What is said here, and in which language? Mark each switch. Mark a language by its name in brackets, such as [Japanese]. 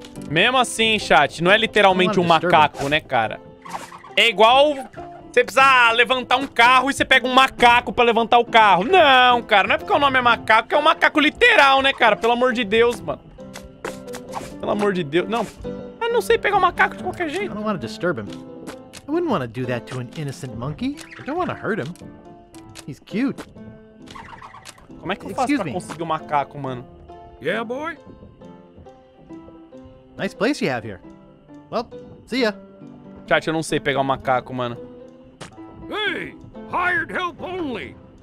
[Portuguese] Mesmo assim, chat, não é literalmente um macaco, né, cara? É igual... Você precisa levantar um carro e você pega um macaco pra levantar o carro. Não, cara. Não é porque o nome é macaco, que é um macaco literal, né, cara? Pelo amor de Deus, mano. Pelo amor de Deus. Não. Eu não sei pegar um macaco de qualquer jeito. [English] I don't want to disturb him. I wouldn't want to do that to an innocent monkey. I don't want to hurt him. He's cute. [Portuguese] Como é que eu faço pra conseguir um macaco, mano? [English] Yeah, boy. Nice place you have here. Well, see ya. [Portuguese] Chat, eu não sei pegar um macaco, mano. [English] Hey! Hired help only!